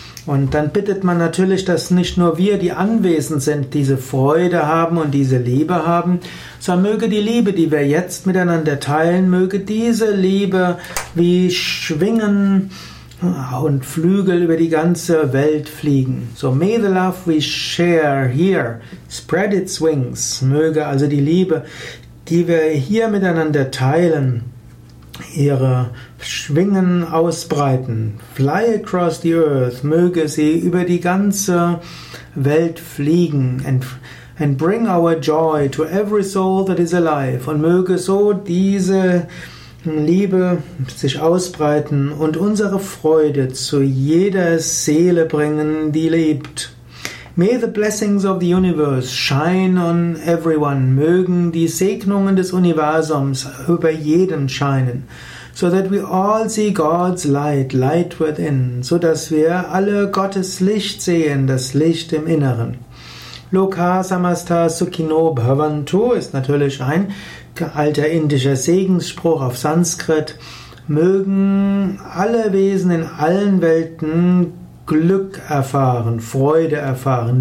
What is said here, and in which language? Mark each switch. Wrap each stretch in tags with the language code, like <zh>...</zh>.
<de>Und dann bittet man natürlich, dass nicht nur wir, die anwesend sind, diese Freude haben und diese Liebe haben, sondern möge die Liebe, die wir jetzt miteinander teilen, möge diese Liebe wie Schwingen und Flügel über die ganze Welt fliegen.</de> <en>So, may the love we share here spread its wings.</en> <de>Möge also die Liebe, die wir hier miteinander teilen, ihre Schwingen ausbreiten.</de> <en>Fly across the earth,</en> <de>möge sie über die ganze Welt fliegen.</de> <en>And bring our joy to every soul that is alive.</en> <de>Und möge so diese Liebe sich ausbreiten und unsere Freude zu jeder Seele bringen, die lebt.</de> <en>May the blessings of the universe shine on everyone.</en> <de>Mögen die Segnungen des Universums über jeden scheinen.</de> <en>So that we all see God's light, light within.</en> <de>So dass wir alle Gottes Licht sehen, das Licht im Inneren.</de> <sa>Loka samasta sukhino bhavantu</sa> <de>ist natürlich ein alter indischer Segensspruch auf Sanskrit. Mögen alle Wesen in allen Welten Glück erfahren, Freude erfahren.</de>